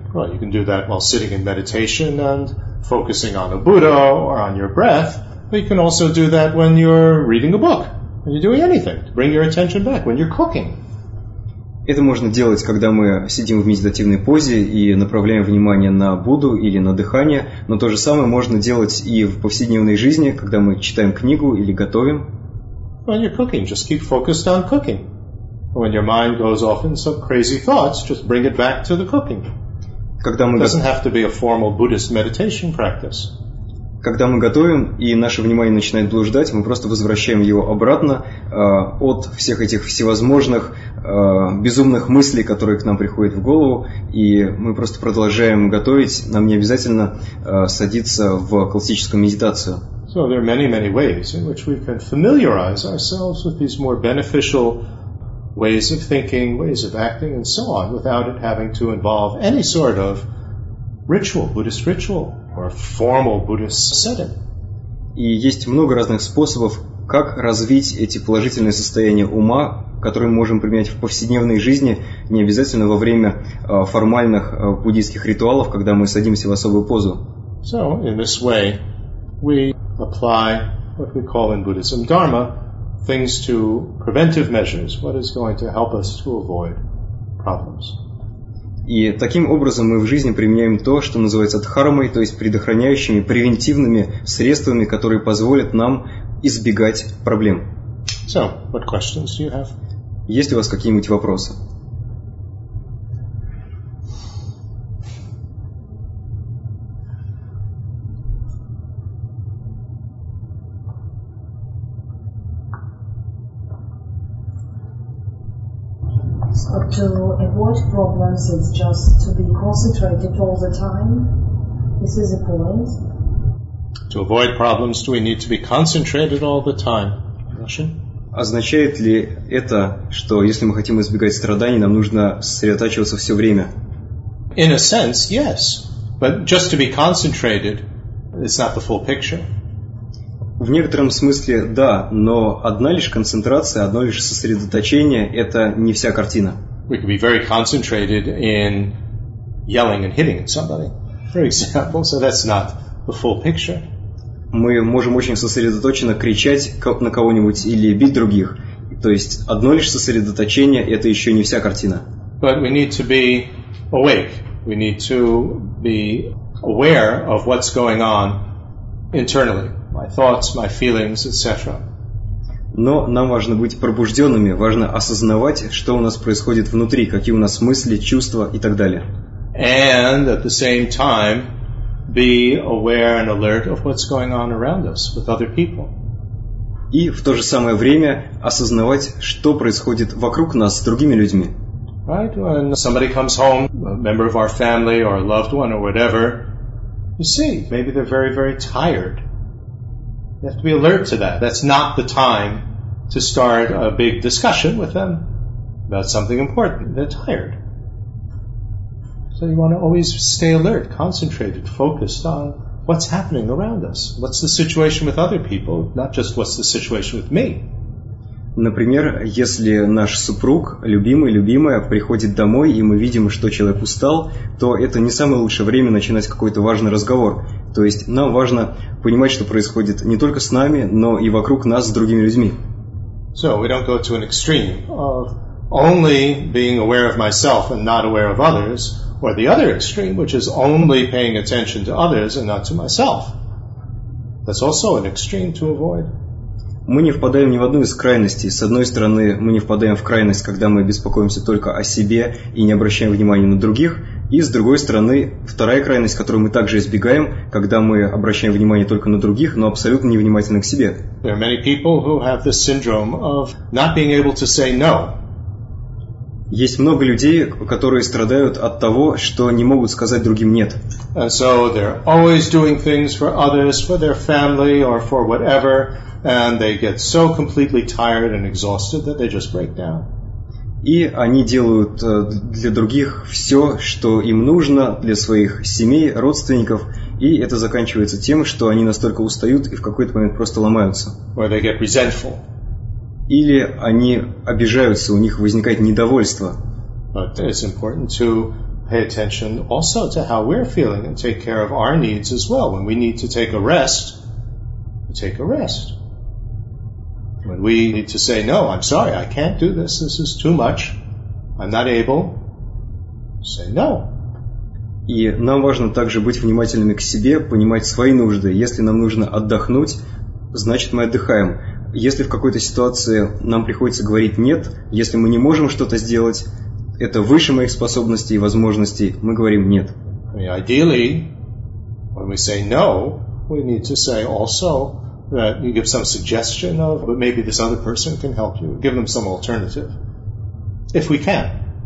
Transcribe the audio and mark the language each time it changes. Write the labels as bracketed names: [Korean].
[English] Well, you can do that while sitting in meditation and focusing on a Buddha or on your breath. But you can also do that when you're reading a book, when you're doing anything, to bring your attention back, when you're cooking. [Russian] Это можно делать, когда мы сидим в медитативной позе и направляем внимание на Будду или на дыхание, но то же самое можно делать и в повседневной жизни, когда мы читаем книгу или готовим. [English] When you're cooking, just keep focused on cooking. When your mind goes off in some crazy thoughts, just bring it back to the cooking. It doesn't have to be a formal Buddhist meditation practice. [Russian] Когда мы готовим, и наше внимание начинает блуждать, мы просто возвращаем его обратно от всех этих всевозможных безумных мыслей, которые к нам приходят в голову, и мы просто продолжаем готовить. Нам не обязательно садиться в классическую медитацию. [English] So there are many, many ways in which we can familiarize ourselves with these more beneficial ways of thinking, ways of acting, and so on, without it having to involve any sort of ritual, Buddhist ritual. Or a formal Buddhist setting. [Russian] И есть много разных способов, как развить эти положительные состояния ума, которые мы можем применять в повседневной жизни, не обязательно во время формальных буддийских ритуалов, когда мы садимся в особую позу. [English] So, in this way, we apply what we call in Buddhism dharma, things to preventive measures, what is going to help us to avoid problems. [Russian] И таким образом мы в жизни применяем то, что называется дхармой, то есть предохраняющими, превентивными средствами, которые позволят нам избегать проблем. [English] So, what questions do you have? [Russian] Есть ли у вас какие-нибудь вопросы? [English] To avoid problems is just to be concentrated all the time. This is a point. To avoid problems, do we need to be concentrated all the time? [Russian] Означает ли это, что если мы хотим избегать страданий, нам нужно сосредотачиваться все время? [English] In a sense, yes. But just to be concentrated, it's not the full picture. [Russian] В некотором смысле, да, но одна лишь концентрация, одно лишь сосредоточение – это не вся картина. [English] We could be very concentrated in yelling and hitting at somebody, for example, so that's not the full picture. [Russian] Мы можем очень сосредоточенно кричать на кого-нибудь или бить других. То есть одно лишь сосредоточение – это еще не вся картина. [English] But we need to be awake. We need to be aware of what's going on internally. My thoughts, my feelings, etc. [Russian] Но нам важно быть пробужденными, важно осознавать, что у нас происходит внутри, какие у нас мысли, чувства и так далее. [English] And at the same time, be aware and alert of what's going on around us with other people. [Russian] И в то же самое время осознавать, что происходит вокруг нас с другими людьми. [English] Right? When somebody comes home, a member of our family or a loved one or whatever, you see, maybe they're very, very tired. You have to be alert to that. That's not the time to start a big discussion with them about something important. They're tired. So you want to always stay alert, concentrated, focused on what's happening around us. What's the situation with other people, not just what's the situation with me. [Russian] Например, если наш супруг, любимый, любимая, приходит домой, и мы видим, что человек устал, то это не самое лучшее время начинать какой-то важный разговор. То есть нам важно понимать, что происходит не только с нами, но и вокруг нас с другими людьми. [English] So we don't go to an extreme of only being aware of myself and not aware of others, or the other extreme, which is only paying attention to others and not to myself. That's also an extreme to avoid. [Russian] мы не впадаем ни в одну из крайностей. С одной стороны, мы не впадаем в крайность, когда мы беспокоимся только о себе и не обращаем внимания на других. И с другой стороны, вторая крайность, которую мы также избегаем, когда мы обращаем внимание только на других, но абсолютно невнимательны к себе. [English] There are many people who have this syndrome of not being able to say no. [Russian] Есть много людей, которые страдают от того, что не могут сказать другим «нет». [English] And so they're always doing things for others, for their family or for whatever, and they get so completely tired and exhausted that they just break down. [Russian] И они делают для других все, что им нужно, для своих семей, родственников, и это заканчивается тем, что они настолько устают и в какой-то момент просто ломаются. [English] Or they get resentful. [Russian] Или они обижаются, у них возникает недовольство. [English] But it's important to pay attention also to how we're feeling and take care of our needs as well. When we need to take a rest, take a rest. When we need to say, no, I'm sorry, I can't do this, this is too much, I'm not able, say no. [Russian] И нам важно также быть внимательными к себе, понимать свои нужды. Если нам нужно отдохнуть, значит мы отдыхаем. Если в какой-то ситуации нам приходится говорить «нет», если мы не можем что-то сделать, это выше моих способностей и возможностей, мы говорим «нет». [English] Ideally, when we say no, we need to say also that you give some suggestion of, but maybe this other person can help you, give them some alternative, if we can.